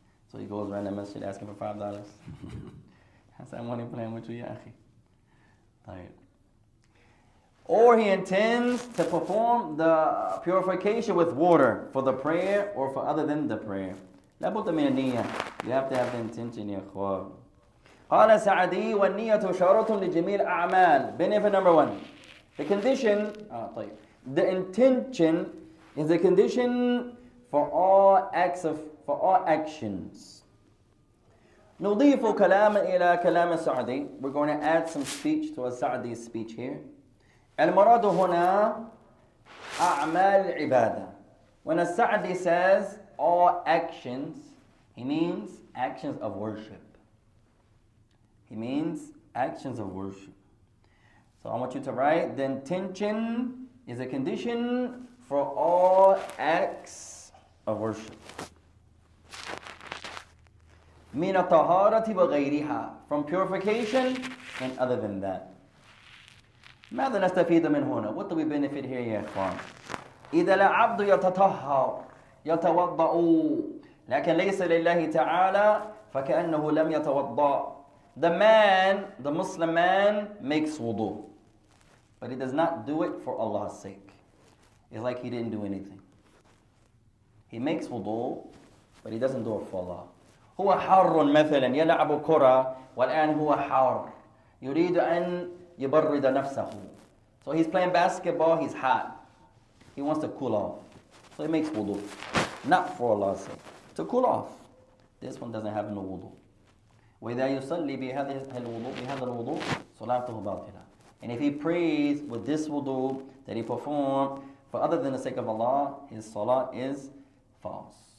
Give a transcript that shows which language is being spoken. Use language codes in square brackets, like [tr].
[en] So he goes around the masjid asking for $5. I said, I'm only playing with you, ya akhi. Tayyip. Or he intends to perform the purification with water for the prayer or for other than the prayer. [ar] لَبُدَّ مِنَ النِّيَّةِ. [en] You have to have the intention, ya akhwab. [ar] قال سعدي والنية شرط لجميع الأعمال. [en] Benefit number one. The condition, the intention is the condition for all acts of, for all actions. [ar] نضيف كلاما إلى كلام سعدي. [en] We're going to add some speech to a Sa'di's speech here. [ar] المراد هنا أعمال عبادة. [en] When a Sa'di says all actions, he means actions of worship. It means actions of worship. So I want you to write, then tension is a condition for all acts of worship. [ar] مِنَ الطَّهَارَةِ وَغَيْرِهَا, [en] from purification and other than that. [ar] ماذا نستفيد من هنا? [en] What do we benefit here, يا إخوان? [ar] إِذَا لَعَبْدُ يَتَطَهَّرُ يَتَوَضَّعُ لَكَنْ لَيْسَ لِلَّهِ تَعَالَى فَكَأَنَّهُ لَمْ يَتَوَضَّعُ. [en] The man, the Muslim man, makes wudu, but he does not do it for Allah's sake. It's like he didn't do anything. He makes wudu, but he doesn't do it for Allah. [ar] هو حر مثلا يلعب كرة والآن هو حار يريد أن يبرد نفسه. [en] So he's playing basketball, he's hot. He wants to cool off. So he makes wudu. Not for Allah's sake. To cool off. This one doesn't have no wudu. [ar] وَإِذَا يُصَلِّ بِهَذَا الْوُضُوءِ صُلَاتُهُ بَاطِلًا. [en] And if he prays with this wudu that he performed for other than the sake of Allah, his salah is false.